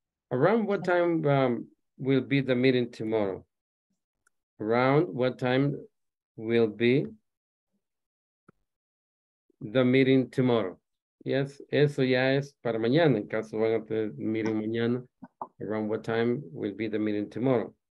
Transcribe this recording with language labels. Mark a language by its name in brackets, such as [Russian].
[English] Around what time will be the meeting tomorrow? Around what time will be the meeting tomorrow? [Spanish] Yes, eso ya es para mañana, en caso van a tener meeting mañana. [English] Around what time will be the meeting tomorrow?